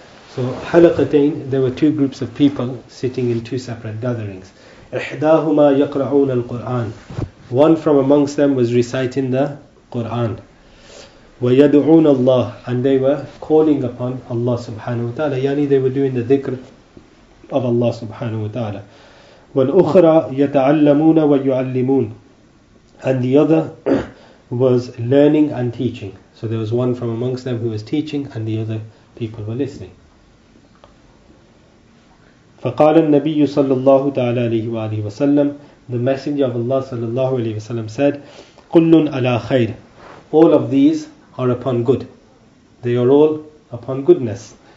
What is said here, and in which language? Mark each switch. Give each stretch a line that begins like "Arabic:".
English: So حلقتين, there were two groups of people sitting in two separate gatherings.
Arabic: إحداهما يقرؤون القرآن.
English: One from amongst them was reciting the Quran.
Arabic: ويدعون الله,
English: and they were calling upon Allah subhanahu wa ta'ala. Yani they were doing the dhikr of Allah subhanahu wa ta'ala.
Arabic: والأخرى يتعلمون ويعلمون.
English: And the other was learning and teaching. So there was one from amongst them who was teaching and the other people were listening.
Arabic: فقال النبي صلى الله تعالى عليه وآله وسلم,
English: the messenger of Allah صلى الله عليه وسلم said,
Arabic: كل على خير,
English: all of these are upon good, they are all upon goodness.